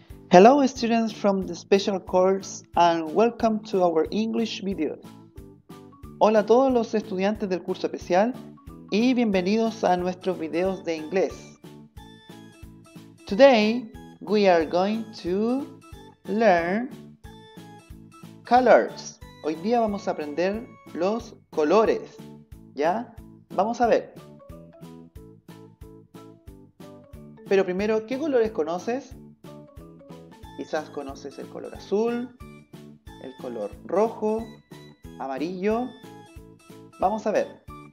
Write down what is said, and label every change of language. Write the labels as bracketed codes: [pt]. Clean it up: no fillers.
[en] Hello students from the special course and welcome to our English video. [es] Hola a todos los estudiantes del curso especial y bienvenidos a nuestros videos de inglés. [en] Today we are going to learn colors. [es] Hoy día vamos a aprender los colores. ¿Ya? Vamos a ver. Pero primero, ¿qué colores conoces? Quizás conoces el color azul, el color rojo, amarillo. Vamos a ver.